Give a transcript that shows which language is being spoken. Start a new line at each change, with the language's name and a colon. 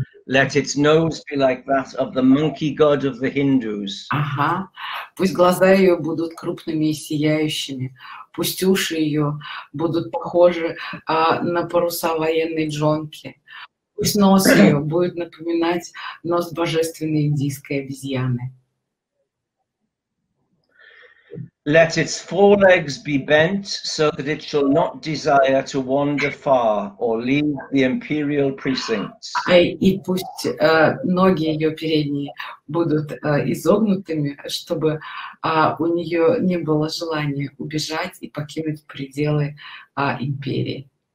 English: Let its nose be like that of the monkey god of the Hindus. Ага.
Russian: Пусть глаза ее будут крупными и сияющими. Пусть уши ее будут похожи на паруса военной джонки. Пусть нос ее будет напоминать нос божественной индийской обезьяны.
English: Let its forelegs be bent so that it shall not desire to wander far or leave the imperial precincts.
Russian: И пусть ноги ее передние будут изогнутыми, чтобы у нее не было желания убежать и покинуть пределы империи.